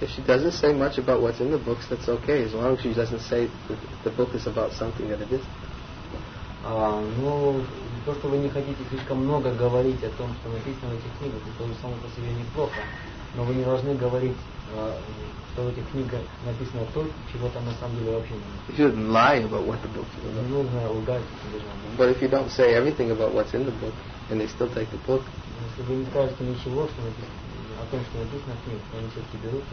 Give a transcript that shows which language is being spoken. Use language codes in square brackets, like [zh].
[en] If she doesn't say much about what's in the books, that's okay, as long as she doesn't say the book is about something that it isn't. [ru] Ну, то, что вы не хотите слишком много говорить о том, что написано в этих книгах, это уже само по себе неплохо. Но вы не должны говорить, что в этих книгах написано то, чего там на самом деле вообще нет. [en] You shouldn't lie about what the book is. [ru] Не нужно лгать. [en] But if you don't say everything about what's in the book, and they still take the book, [ru] если вы не скажете ничего, что написано, о том, что написано в книгах, они все-таки берут.